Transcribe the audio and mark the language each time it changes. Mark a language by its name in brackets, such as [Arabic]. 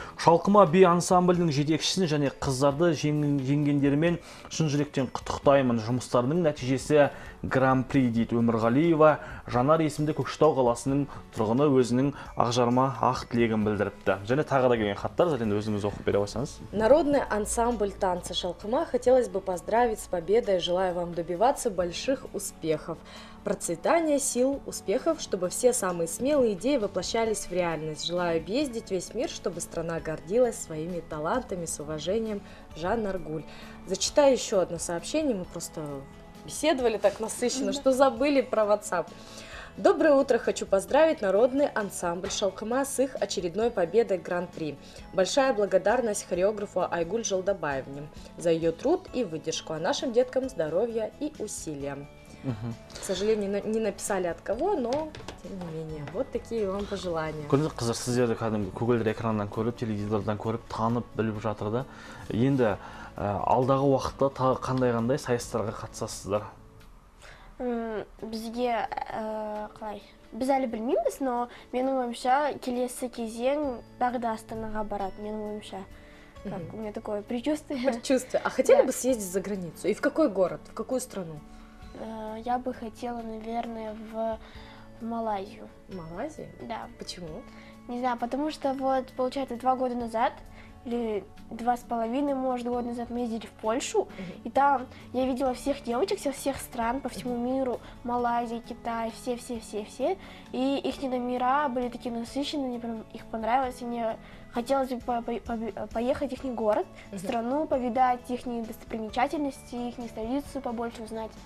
[Kazakh] Шалқыма би ансамблінің жетекшісін және қыздарды жеңгендерімен шын жүректен құттықтаймын. Жұмыстарының нәтижесі гран-при дейді. Өмірғалиева Жанар есімді Көкшетау қаласының тұрғыны өзінің ақжарма ақ тілегін білдіріпті. Және тағы да келген хаттар, Зарина, өзіңіз оқып бере алсаңыз. [Russian] Народный ансамбль танца «Шалқыма» хотелось бы поздравить с победой, желаю вам добиваться больших успехов. Процветания, сил, успехов, чтобы все самые смелые идеи воплощались в реальность. Желаю объездить весь мир, чтобы страна гордилась своими талантами. С уважением, Жанна Аргуль. Зачитаю еще одно сообщение, мы просто беседовали так насыщенно, что забыли про WhatsApp. Доброе утро! Хочу поздравить народный ансамбль «Шалкама» с их очередной победой Гран-при. Большая благодарность хореографу Айгуль Жолдабаевне за ее труд и выдержку, а нашим деткам здоровья и усилия. К сожалению, не написали от кого, но тем не менее, вот такие вам пожелания. [Kazakh] Көрдіңіз, қазір сіздерді кәдімгі Google экраннан көріп, теледидардан көріп, танып, біліп жатыр да. Енді алдағы уақытта тағы қандай-қандай сайыстарға қатысасыздар? Бізге, қалай, біз әлі білмейміз, [Russian] но [Kazakh] менің ойымша келесі кезең тағы да Астанаға барады, менің ойымша. [Russian] У меня такое предчувствие. Предчувствие. А хотели бы съездить за границу? И в какой город? В какую страну? Я бы хотела, наверное, в Малайзию. В Малайзию? Да. Почему? Не знаю, потому что вот, получается, 2 года назад, или 2,5, может, года назад мы ездили в Польшу, и там я видела всех девочек со всех стран по всему миру, Малайзия, Китай, все-все-все-все, и их номера были такие насыщенные, мне прям их понравилось, и мне хотелось бы поехать в их город, страну, повидать их достопримечательности, их столицу побольше узнать.